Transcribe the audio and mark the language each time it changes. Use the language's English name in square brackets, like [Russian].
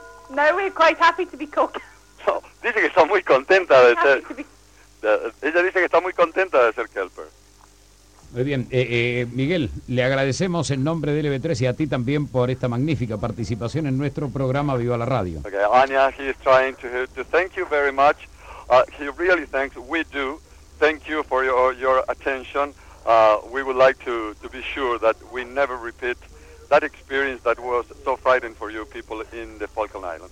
[English] No, we're quite happy to be called Kelper. [Spanish] No, dice que está muy contenta de ser... ella dice que está muy contenta de ser Kelper. Muy bien. Miguel, le agradecemos en nombre de LB3 y a ti también por esta magnífica participación en nuestro programa Viva la Radio. [English] Okay, Anya, he is trying to thank you very much. He really thanks, we do. Thank you for your attention. We would like to be sure that we never repeat that experience that was so frightening for you people in the Falkland Island.